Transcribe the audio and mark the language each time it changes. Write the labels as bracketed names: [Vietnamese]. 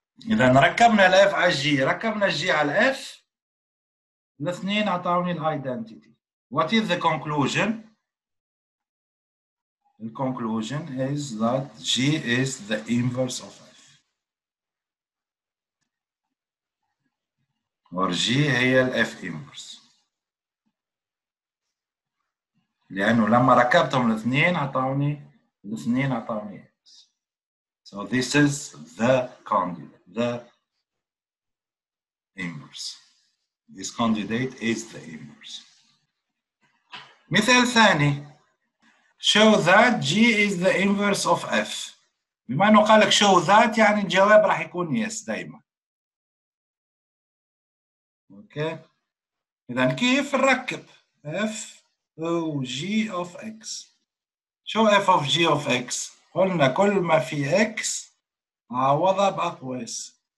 [Arabic] إذا ركبنا الـ F على الـ G، ركبنا الـ G على الـ F، الاثنين أعطوني الـ Identity. [English] What is the conclusion? The conclusion is that G is the inverse of F. Or G هي الـ F inverse. [Arabic] لأنه لما ركبتهم الاثنين أعطوني الاثنين أعطوني X. [English] So this is the candidate. The inverse. This candidate is the inverse. [Arabic] مثال ثاني. [English] Show that G is the inverse of F. [Arabic] بما أنه قالك [English] show that [Arabic] يعني الجواب راح يكون yes دائما. Okay. إذن كيف نركب F أو [English] G of X. Show F of G of X. [Arabic] قلنا كل ما في X عوضها بأقواس.